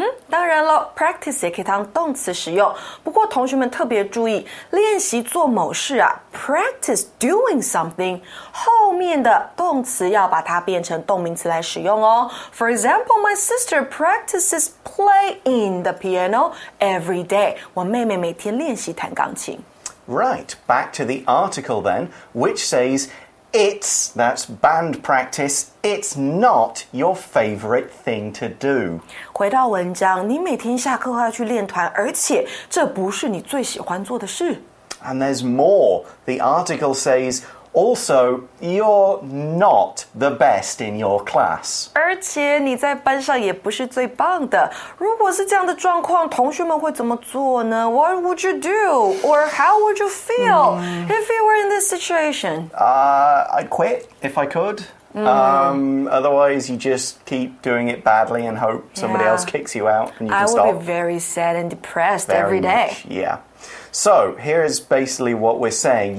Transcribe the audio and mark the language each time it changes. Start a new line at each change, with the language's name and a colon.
Chinese: 当然了 practice 也可以当动词使用。不过同学们特别注意练习做某事啊
English: practice doing something,
Chinese: 后面的动词要把它变成动名词来使用哦。
English: For example, my sister practices playing the piano every day.
Chinese: 我妹妹每天练习弹钢琴。
English: Right, back to the article then, which says,It's, that's band practice, it's not your favorite thing to do.
Chinese: 回到文章，你每天下课后要去练团，而且这不是你最喜欢做的事。
English: And there's more. The article says, also, you're not the best in your class.
Chinese: 而且你在班上也不是最棒的。如果是这样的状况，同学们会怎么做呢？
English: What would you do? Or how would you feel if you were in this situation? I'd quit if I could. Otherwise, you just keep doing it badly and hope somebody else kicks you out and you can stop. I would be very sad and depressed every day. Yeah. So, here is basically what we're saying.